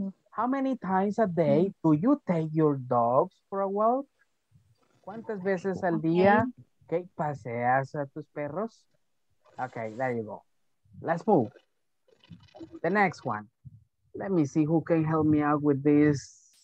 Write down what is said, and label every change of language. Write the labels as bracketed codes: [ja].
[en] How many times a day do you take your dogs for a walk? [es] ¿Cuántas veces al día okay, paseas a tus perros? [en] Okay, there you go. Let's move. The next one. Let me see who can help me out with this.